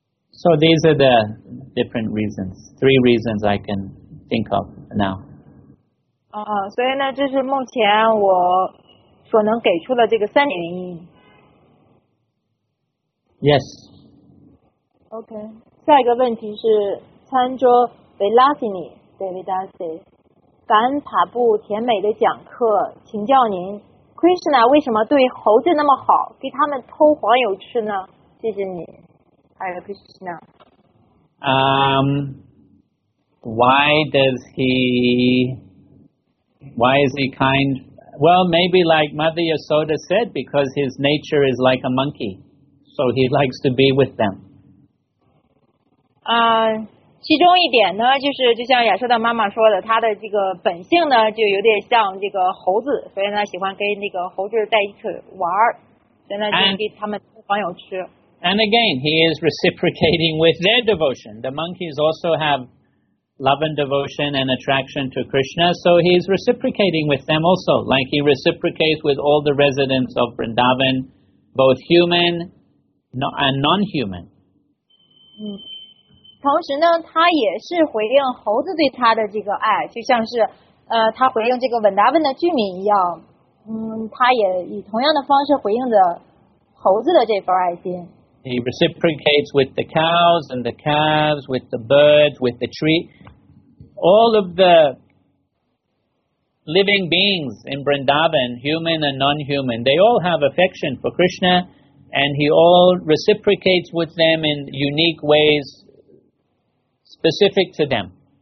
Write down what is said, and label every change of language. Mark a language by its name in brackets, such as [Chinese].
[English] So these are the different reasons, three reasons I can think of now. [Chinese] 所以呢，这是目前我所能给出的这个三点原因。 [English] Yes. [Chinese] OK. 下一个问题是餐桌 Velasini, Devadasi. 感恩塔布甜美的讲课，请教您 ,Krishna 为什么对猴子那么好，给他们偷黄油吃呢？谢谢你。 [English] Why is he kind? Well, maybe like Mother Yasoda said, because his nature is like a monkey, so he likes to be with them. [Chinese] 其中一点呢，就是就像亚瑟的妈妈说的，他的这个本性呢，就有点像这个猴子，所以呢，喜欢跟那个猴子在一起玩儿，所以呢，就给他们黄油吃。 [English] And again, he is reciprocating with their devotion. The monkeys also have love and devotion and attraction to Krishna, so he is reciprocating with them also, like he reciprocates with all the residents of Vrindavan, both human and non-human. [Chinese] 同时呢，他也是回应猴子对他的这个爱，就像是他回应这个 Vrindavan 的居民一样，他也以同样的方式回应着猴子的这份爱心。 [English] He reciprocates with the cows and the calves, with the birds, with the tree. All of the living beings in Vrindavan, human and non-human, they all have affection for Krishna, and he all reciprocates with them in unique ways specific to them.